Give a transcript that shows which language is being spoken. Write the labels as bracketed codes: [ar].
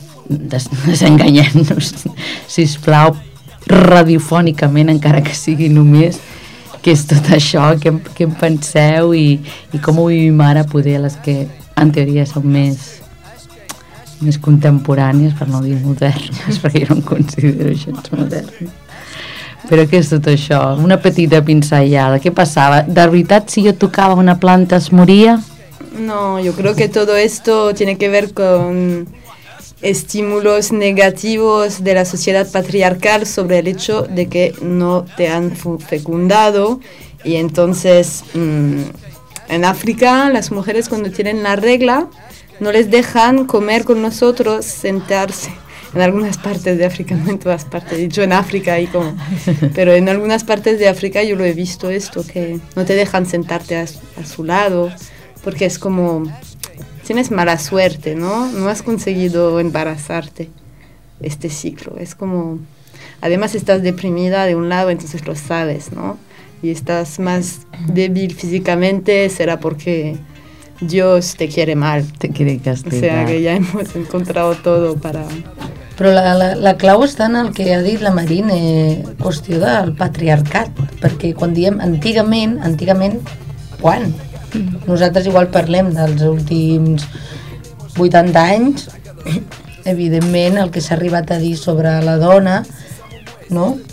[ca] desenganyem-nos, sisplau, radiofònicament, encara que sigui només, que és tot això, què en penseu i com ho vivim ara, poder les que en teoria són més contemporànies, per no dir modernes, perquè jo no em considero gens modern. Però què és tot això? Una petita pinzellada, què passava? De veritat, si jo tocava una planta es moria? [es] No, yo creo que todo esto tiene que ver con estímulos negativos de la sociedad patriarcal sobre el hecho de que no te han fecundado, y entonces en África las mujeres cuando tienen la regla no les dejan comer con nosotros, sentarse en algunas partes de África, no en todas partes, yo en África y como, pero en algunas partes de África yo lo he visto esto, que no te dejan sentarte a su lado porque es como... tienes mala suerte, ¿no? No has conseguido embarazarte este ciclo. Es como... además estás deprimida de un lado, entonces lo sabes, ¿no? Y estás más débil físicamente, será porque Dios te quiere mal. Te quiere castigar. O sea, que ya hemos encontrado todo para... [ca] Però la clau està en el que ha dit la Marina, qüestió del patriarcat. Perquè quan diem antigament, quan? Nosaltres igual parlem dels últims 80 anys, evidentment el que s'ha arribat a dir sobre la dona, no?